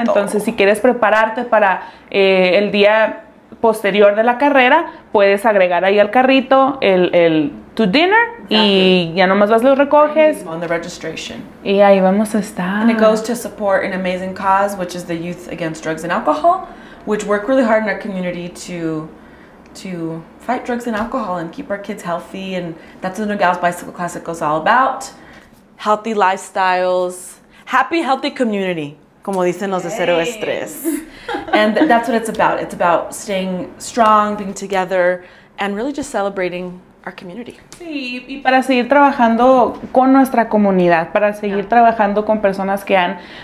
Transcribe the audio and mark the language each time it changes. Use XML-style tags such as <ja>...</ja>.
<es>Entonces, si quieres prepararte para el día posterior de la carrera, puedes agregar ahí al carrito el to dinner. Exactly. Y ya nomás vas, lo recoges.</es> <en>On the registration.</en> <es>Y ahí vamos a estar.</es> <en>And it goes to support an amazing cause, which is the Youth Against Drugs and Alcohol, which work really hard in our community to fight drugs and alcohol and keep our kids healthy. And that's what the Nogales Bicycle Classic is all about. Healthy lifestyles. Happy, healthy community.</en> <es>Como dicen los de Cero Estrés.</es> <en>And that's what it's about. It's about staying strong, being together, and really just celebrating our community.</en> <es>Sí, y para seguir trabajando con nuestra comunidad, para seguir trabajando con personas que han...</es>